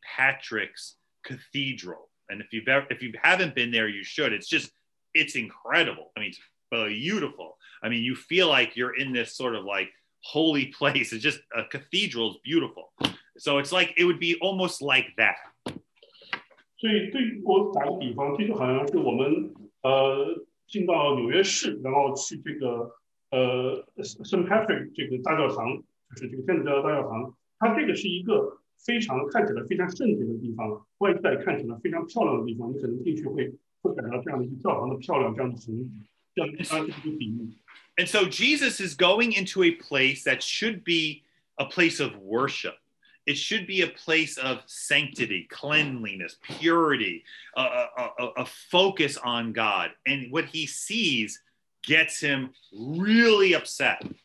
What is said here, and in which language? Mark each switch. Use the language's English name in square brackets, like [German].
[English] Patrick's Cathedral. And if you haven't been there, you should. It's incredible. I mean, it's beautiful. I mean, you feel like you're in this sort of like holy place. It's just a cathedral is beautiful. So it's like, it would be almost like that. [Chinese] 所以对我打个比方，就是好像是我们进到纽约市，然后去这个圣帕特这个大教堂，就是这个天主教大教堂，它这个是一个非常看起来非常圣洁的地方，外在看起来非常漂亮的地方，你可能进去会感到这样的一个教堂的漂亮，这样的红，这样的一个比喻。 [English] And so Jesus is going into a place that should be a place of worship. It should be a place of sanctity, cleanliness, purity, a focus on God. And what he sees gets him really upset.